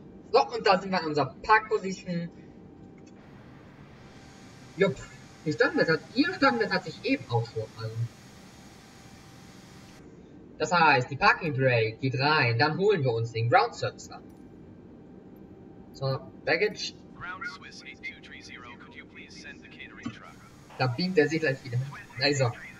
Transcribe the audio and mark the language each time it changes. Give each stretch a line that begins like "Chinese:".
German: So, und da sind wir in unserer Parkposition. Jupp, ihr Standbild hat sich eben auch schon an. Das heißt, die Parking Bay geht rein, dann holen wir uns den Ground Service ran. So, Baggage.
English: Ground Swiss 8230, could you please send the catering truck?
German: Da beamt er sich gleich wieder. Also.